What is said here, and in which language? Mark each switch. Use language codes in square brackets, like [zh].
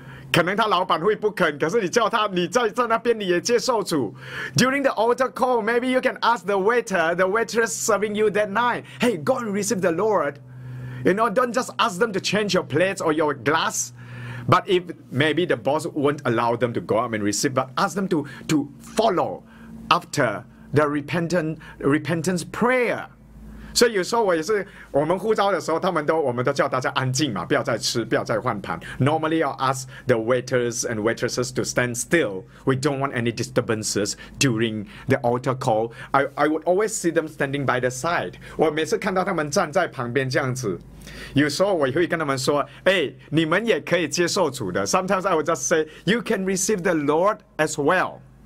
[zh] 可能他老板会不肯，可是你叫他，你在那边你也接受主。 [en] During the altar call, maybe you can ask the waiter, the waitress serving you that night, "Hey, go and receive the Lord." You know, don't just ask them to change your plates or your glass. But if maybe the boss won't allow them to go up and receive, but ask them to follow after the repentance prayer. [zh] 所以有时候我也是，我们呼召的时候，我们都叫大家安静嘛，不要再吃，不要再换盘。 [en] Normally, I'll ask the waiters and waitresses to stand still. We don't want any disturbances during the altar call. I would always see them standing by the side. [zh] 我每次看到他们站在旁边这样子，有时候我也会跟他们说，哎，你们也可以接受主的。 [en] Sometimes I would just say, you can receive the Lord as well.